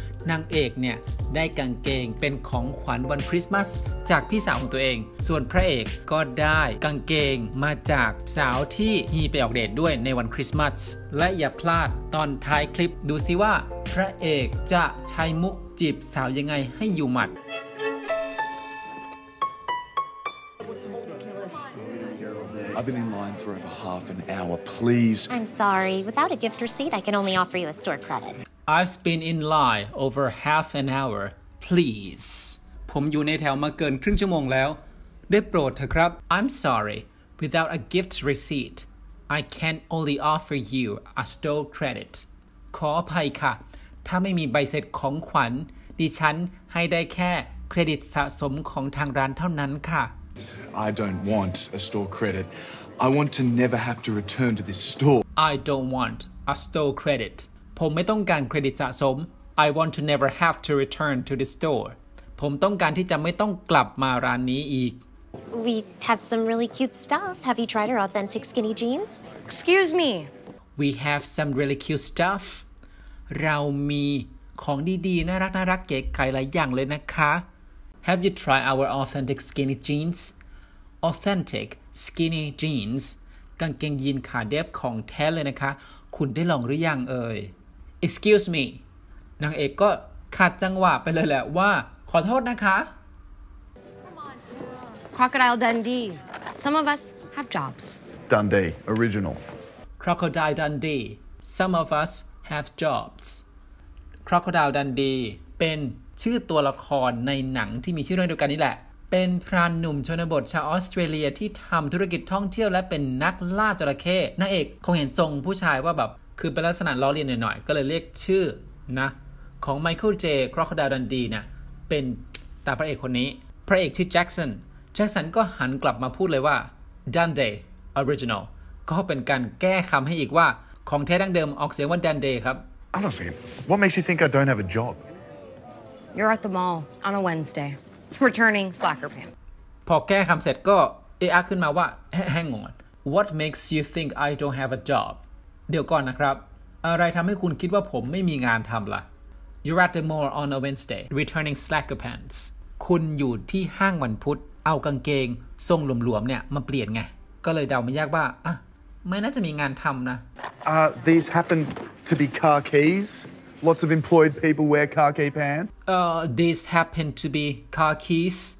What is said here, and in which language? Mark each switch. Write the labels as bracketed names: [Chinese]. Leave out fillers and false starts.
[Thai] นางเอกเนี่ยได้กางเกงเป็นของขวัญวันคริสต์มาสจากพี่สาวของตัวเองส่วนพระเอกก็ได้กางเกงมาจากสาวที่ฮีไปออกเดทด้วยในวันคริสต์มาสและอย่าพลาดตอนท้ายคลิปดูซิว่าพระเอกจะใช้มุกจีบสาวยังไงให้อยู่หมัด [English] I've been in line for over half an hour, please. I'm sorry. Without a gift receipt, I can only offer you a store credit. I've been in line over half an hour, please. [Thai] ผมอยู่ในแถวมาเกินครึ่งชั่วโมงแล้วได้โปรดเถอะครับ [English] I'm sorry. Without a gift receipt, I can only offer you a store credit. [Thai] ขออภัยค่ะถ้าไม่มีใบเสร็จของขวัญดิฉันให้ได้แค่เครดิตสะสมของทางร้านเท่านั้นค่ะ [English] I don't want a store credit. I want to never have to return to this store. I don't want a store credit. [Thai] ผมไม่ต้องการเครดิตสะสม [English] I want to never have to return to this store. [Thai] ผมต้องการที่จะไม่ต้องกลับมาร้านนี้อีก [English] We have some really cute stuff. Have you tried our authentic skinny jeans? Excuse me. We have some really cute stuff. [Thai] เรามีของดีๆน่ารักน่ารักเก๋ไก๋หลายอย่างเลยนะคะ [English] Have you tried our authentic skinny jeans? Authentic skinny jeans. [Thai] กางเกงยีนขาเดฟของแท้เลยนะคะคุณได้ลองหรือยังเอ่ย [English] Excuse me. [Thai] นางเอกก็ขาดจังหวะไปเลยแหละว่าขอโทษนะคะ [English] Crocodile Dundee. Some of us have jobs. Dundee, original. Crocodile Dundee. Some of us have jobs. [Thai] Crocodile Dundee เป็นชื่อตัวละครในหนังที่มีชื่อเรื่องเดียวกันนี่แหละเป็นพรานหนุ่มชนบทชาวออสเตรเลียที่ทำธุรกิจท่องเที่ยวและเป็นนักล่าจระเข้นางเอกคงเห็นทรงผู้ชายว่าแบบคือเป็นลักษณะล้อเลียนหน่อยๆก็เลยเรียกชื่อนะของไมเคิลเจครอคโคไดล์ดันดีเนี่ยเป็นตาพระเอกคนนี้พระเอกชื่อแจ็คสันแจ็คสันก็หันกลับมาพูดเลยว่า Dundee original ก็เป็นการแก้คำให้อีกว่าของแท้ดั้งเดิมออกเสียงว่า Dundee ครับ [English] Honestly what makes you think I don't have a job You're at the mall on a Wednesday, returning slacker pants. [Thai] พอแก้คำเสร็จก็เอะอะขึ้นมาว่าแห้งงอน [English] What makes you think I don't have a job? [Thai] เดี๋ยวก่อนนะครับอะไรทำให้คุณคิดว่าผมไม่มีงานทำล่ะ [English] You're at the mall on a Wednesday, returning slacker pants. [Thai] คุณอยู่ที่ห้างวันพุธเอากางเกงทรงหลวมๆเนี่ยมาเปลี่ยนไงก็เลยเดาไม่ยากว่าอ่ะไม่น่าจะมีงานทำนะ [English] These happen to be car keys. Lots of employed people wear khaki pants. This happened to be khakis.